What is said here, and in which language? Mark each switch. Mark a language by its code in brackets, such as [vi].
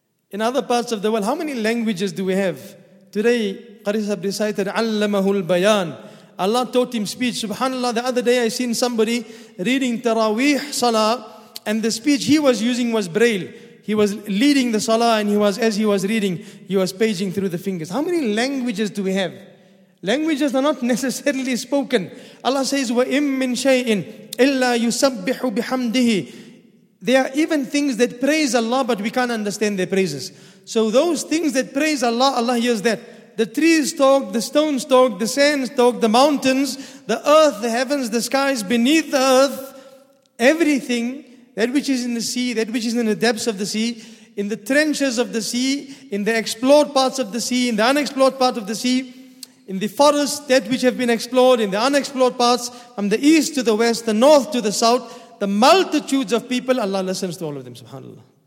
[en] In other parts of the world, how many languages do we have? Today, Qarisab recited, [ar] Allamahu al-Bayan. [en] Allah taught him speech. Subhanallah, the other day I seen somebody reading Taraweeh Salah, and the speech he was using was Braille. He was leading the Salah, and as he was reading, he was paging through the fingers. How many languages do we have? Languages are not necessarily spoken. Allah says, [ar] وَإِمْ مِنْ شَيْءٍ إِلَّا يُسَبِّحُ بِحَمْدِهِ. [en] There are even things that praise Allah, but we can't understand their praises. So those things that praise Allah, Allah hears that. The trees talk, the stones talk, the sands talk, the mountains, the earth, the heavens, the skies, beneath the earth, everything, that which is in the sea, that which is in the depths of the sea, in the trenches of the sea, in the explored parts of the sea, in the unexplored part of the sea, in the forest, that which have been explored, in the unexplored parts, from the east to the west, the north to the south, the multitudes of people, Allah listens to all of them, subhanAllah.